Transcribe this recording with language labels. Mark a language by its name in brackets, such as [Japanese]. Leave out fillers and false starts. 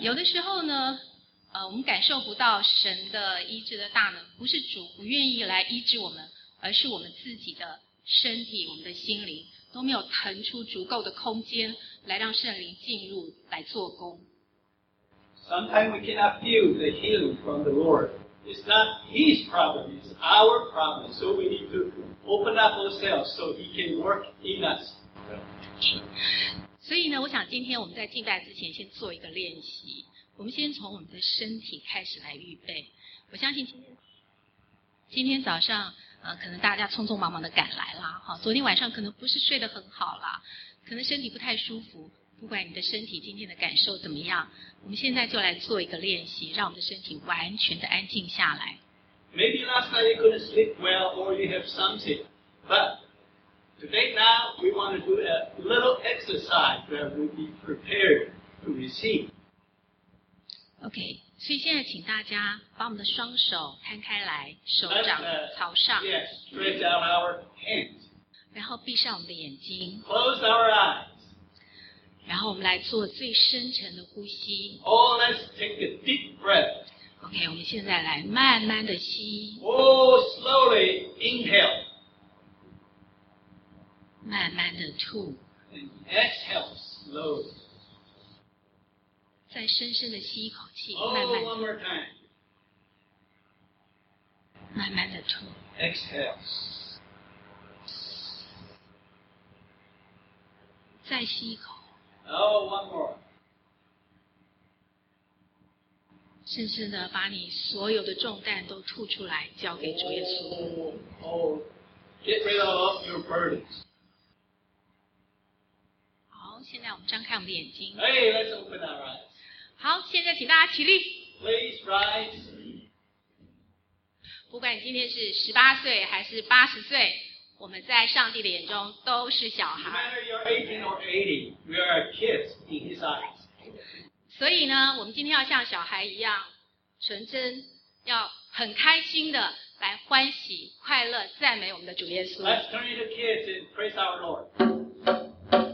[Chinese] 有的时候呢我们感受不到神的医治的大能，不是主不愿意来医治我们，而是我们自己的身体我们的心灵都没有腾出足够的空间来让圣灵进入来做工。 [English] Sometimes we cannot feel the healing from the Lord. It's not His problem, it's our problem. So we need to open up ourselves so He can work in us. [Chinese] 所以呢，我想今天我们在敬拜之前先做一个练习，我们先从我们的身体开始来预备。我相信今天早上可能大家匆匆忙忙的赶来啦，昨天晚上可能不是睡得很好啦，可能身体不太舒服，不管你的身体今天的感受怎么样，我们现在就来做一个练习，让我们的身体完全的安静下来。 [English] Maybe last night you couldn't sleep well or you have something, but today now we want to do a little exercise that we'll be prepared to receive. [Chinese] OK，所以现在请大家把我们的双手摊开来，手掌朝上。 [English] Yes, stretch out our hands. [Chinese] 然后闭上我们的眼睛。 [English] Close our eyes. [Chinese] 然后我们来做最深沉的呼吸。 [English] Oh, let's take a deep breath. [Chinese] OK, 我们现在来慢慢的吸。 [English] Oh, slowly inhale. [Chinese] 慢慢的吐。 [English] And exhale slowly. [Chinese] 再深深的吸一口气、 [English] oh, [Chinese] 慢慢的 [English] one more time. [Chinese] 慢慢的吐 [English] exhale [Chinese] 再吸一口 [English] oh, one more. [Chinese] 深深的把你所有的重担都吐出来交给主耶稣 [English] get rid of your burdens. [Chinese] 好，现在我们张开我们的眼睛 [English] hey, let's open our eyes. [Chinese] 好，现在请大家起立。 [English] Please rise. [Chinese] 不管你今天是18岁还是80岁，我们在上帝的眼中都是小孩。 [English] No matter you're 18 or 80, we are kids in His eyes. [Chinese] 所以呢，我们今天要像小孩一样纯真，要很开心的来欢喜、快乐、赞美我们的主耶稣。 [English] Let's turn into kids and praise our Lord.